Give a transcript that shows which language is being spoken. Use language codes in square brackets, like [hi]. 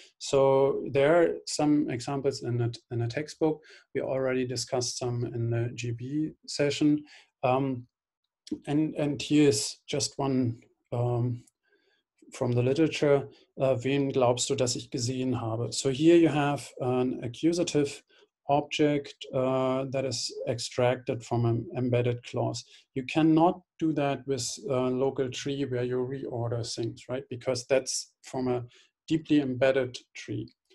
[en] So there are some examples in a textbook. We already discussed some in the GB session. And here's just one from the literature. [de] Wen glaubst du, dass ich gesehen habe? [en] So here you have an accusative object that is extracted from an embedded clause. You cannot do that with a local tree where you reorder things, right? Because that's from a deeply embedded tree.